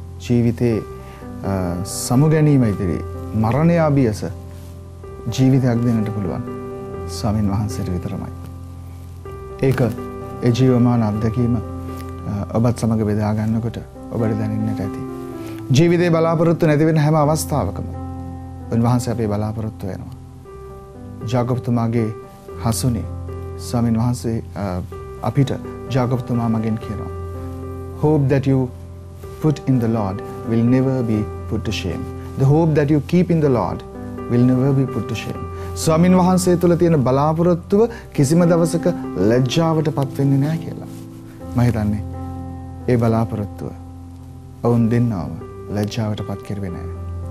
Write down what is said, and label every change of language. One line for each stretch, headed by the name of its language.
Sinhala: ජීවිතයේ සමු ගැනීම ඉදිරි මරණය අභියස ජීවිතයක් දෙන්නට පුළුවන් ස්වාමින් වහන්සේට විතරමයි. ඒක ඒ ජීවමාන අත්දැකීම ඔබත් සමග බෙදා ගන්නකොට ඔබට දැනෙන්නට ඇති. ජීවිතයේ බලාපොරොත්තු නැති වෙන හැම අවස්ථාවකම උන්වහන්සේ අපේ බලාපොරොත්තු වෙනවා. ජාකොබ්තුමාගේ හසුනේ ස්වාමින් වහන්සේ අපිට ජාකොබ්තුමා මගෙන් කියනවා,
English: "Hope that you put in the Lord will never be put to shame. The hope that you keep in the Lord will never be put to shame."
Sinhala: ස්වාමින් වහන්සේ තුළ තියෙන බලාපොරොත්තුව කිසිම දවසක ලැජ්ජාවට පත් වෙන්නේ නැහැ කියලා. මම හිතන්නේ ඒ බලාපොරොත්තුව ඔවුන් දෙන්නව ලැජ්ජාවට පත් කරවෙන්නේ නැහැ.